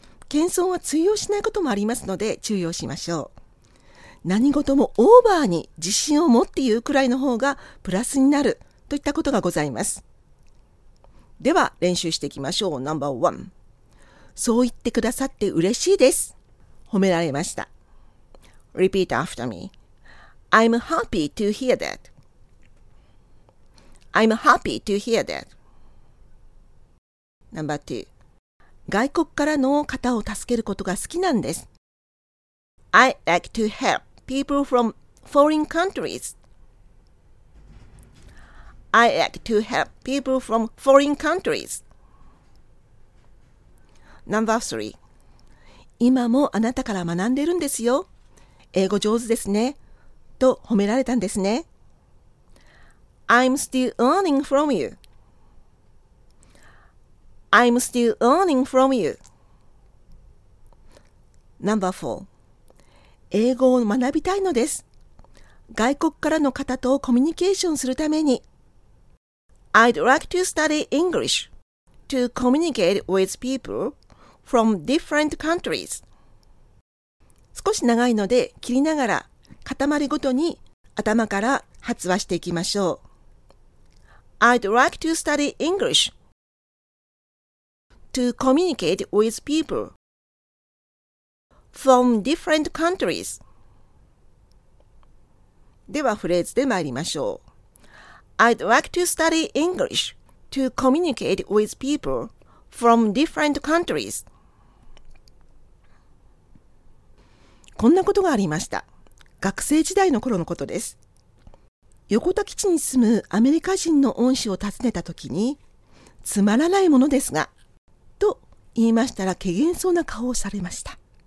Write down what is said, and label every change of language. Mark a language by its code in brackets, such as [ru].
[ja] 謙遜は通用しないこともありますので注意をしましょう。何事もオーバーに自信を持って言うくらいの方がプラスになるといったことがございます。では練習していきましょう。 [en] Number one. [ja] そう言ってくださって嬉しいです。褒められました。 [en] Repeat after me. I'm happy to hear that. I'm happy to hear that. Number two. [ja] 外国からの方を助けることが好きなんです。 [en] I like to help people from foreign countries. I like to help people from foreign countries. Number three. [ja] 今もあなたから学んでるんですよ。英語上手ですね。と褒められたんですね。 [en] I'm still learning from you. I'm still learning from you. Number four. [ja] 英語を学びたいのです。外国からの方とコミュニケーションするために。 [en] I'd like to study English to communicate with people from different countries. [ja] 少し長いので切りながら塊ごとに頭から発話していきましょう。 [en] I'd like to study English to communicate with people from different countries. [ja] ではフレーズで参りましょう。 [en] I'd like to study English to communicate with people from different countries. [ja] こんなことがありました。学生時代の頃のことです。横田基地に住むアメリカ人の恩師を訪ねたときに、つまらないものですが、と言いましたら、けげんそうな顔をされました。